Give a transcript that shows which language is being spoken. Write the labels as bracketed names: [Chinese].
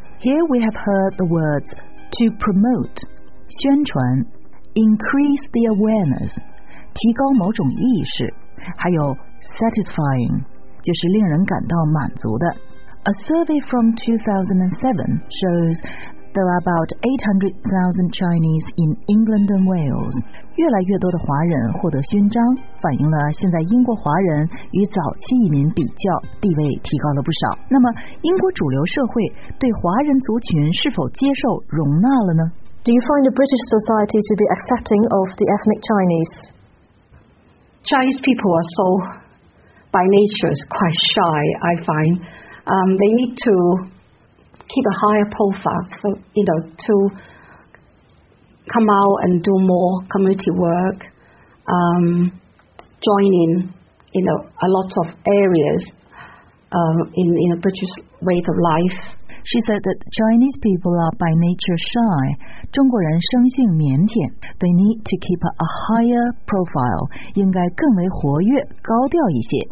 [English] Here we have heard the words to promote, [Chinese] 宣传 [English] increase the awareness, [Chinese] 提高某种意识，还有 [English] satisfying, [Chinese] 就是令人感到满足的。 [English] A survey from 2007 shows there are about 800,000 Chinese in England and Wales. [Chinese] 越来越多的华人获得勋章，反映了现在英国华人与早期移民比较，地位提高了不少。那么，英国主流社会对华人族群是否接受、容纳了呢 [English] ？Do you find the British society to be accepting of the ethnic Chinese? Chinese people are so, by nature, quite shy. I find they need to keep a higher profile, so you know to come out and do more community work, join in, you know, a lot of areas. in a British way of life. She said that Chinese people are by nature shy. [Chinese] 中国人生性腼腆。 [English] They need to keep a higher profile. [Chinese] 应该更为活跃，高调一些。